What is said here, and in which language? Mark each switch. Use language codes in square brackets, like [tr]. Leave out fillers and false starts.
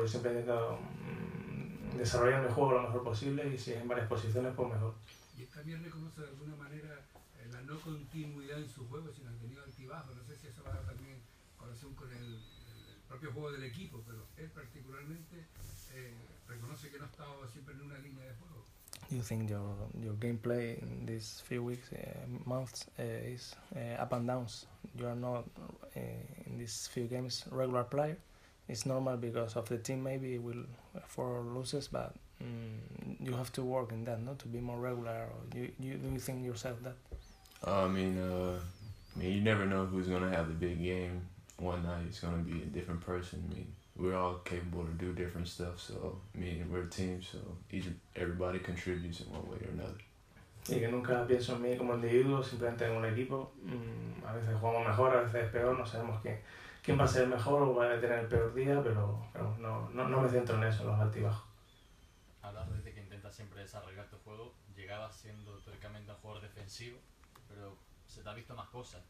[es] Yo siempre intento desarrollar mi juego lo mejor posible y si es en varias posiciones, pues mejor. ¿Y también reconoce de alguna manera la no continuidad en su juego, sino que ha tenido altibajos? No sé si eso va también con relación con el propio juego del equipo, pero él particularmente reconoce que no ha estado siempre en una línea de juego. [en] You think your gameplay in these few weeks, months, is up and downs? You are not in these few games regular player. It's normal because of the team. Maybe will for losses, but you have to work in that, not to be more regular. Or do you think yourself that? I mean, you never know who's gonna have the big game. One night it's gonna be a different person. I mean, we're all capable to do different stuff, so me and we're a team, so everybody contributes in one way or another. [es] Sí, que nunca pienso en mí como individuo, simplemente en un equipo. A veces jugamos mejor, a veces peor, no sabemos quién va a ser mejor o va a tener el peor día, pero no me centro en eso, en los altibajos. Hablas desde que intentas siempre desarrollar tu juego, llegabas siendo teóricamente un jugador defensivo, pero se te ha visto más cosas.